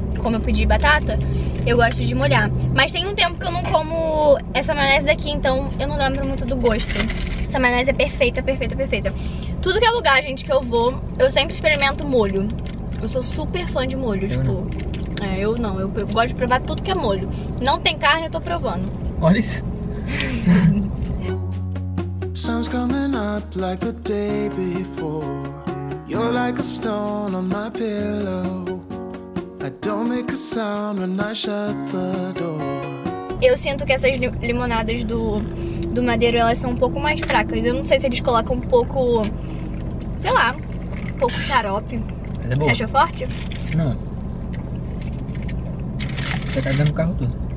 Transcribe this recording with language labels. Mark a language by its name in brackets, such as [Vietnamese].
[Portuguese] Como eu pedi batata, eu gosto de molhar. Mas tem um tempo que eu não como essa maionese daqui, então eu não lembro muito do gosto. Essa maionese é perfeita, perfeita, perfeita. Tudo que é lugar, gente, que eu vou, eu sempre experimento molho. Eu sou super fã de molho, eu tipo... Não. É, eu não. Eu gosto de provar tudo que é molho. Não tem carne, eu tô provando. Olha isso. [English] Sun's coming up like the day before. You're like a stone on my pillow. I don't make a sound when I shut the door. [Portuguese] Eu sinto que essas limonadas do Madeiro, elas são um pouco mais fracas. Eu não sei se eles colocam um pouco, sei lá, um pouco xarope. É bom. Você achou forte? Não. Você tá dando o carro tudo.